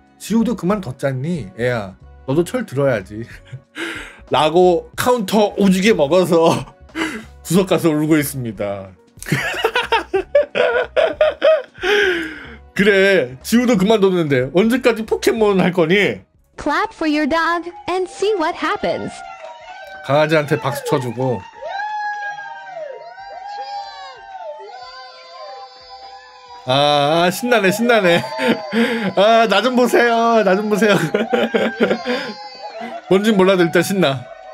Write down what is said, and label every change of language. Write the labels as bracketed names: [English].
[Korean] 지우도 그만뒀잖니 애야 너도 철 들어야지 라고 카운터 오지게 먹어서 구석 가서 울고 있습니다. 그래 지우도 그만뒀는데 언제까지 포켓몬 할 거니? [English] Clap for your dog and see what happens. [Korean] 강아지한테 박수 쳐주고 아 신나네 신나네. 아 나 좀 보세요 나 좀 보세요. 뭔진 몰라도 일단 신나.